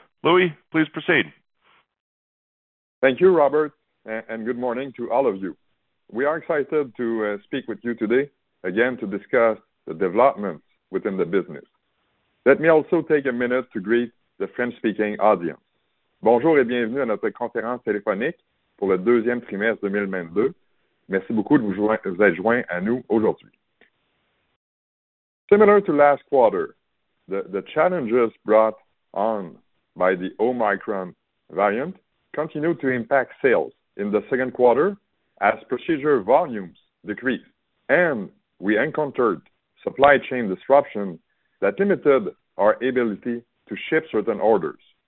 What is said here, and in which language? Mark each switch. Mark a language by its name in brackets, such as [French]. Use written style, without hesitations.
[English] Louis, please proceed. Thank you, Robert, and good morning to all of you. We are excited to speak with you today, again, to discuss the developments within the business. Let me also take a minute to greet the French-speaking audience. [French] Bonjour et bienvenue à notre conférence téléphonique pour le deuxième trimestre 2022. Merci beaucoup de vous être joints à nous aujourd'hui. [English] Similar to last quarter, the challenges brought on by the Omicron variant continue to impact sales in the second quarter as procedure volumes decrease, and we encountered supply chain disruption that limited our ability to ship certain orders.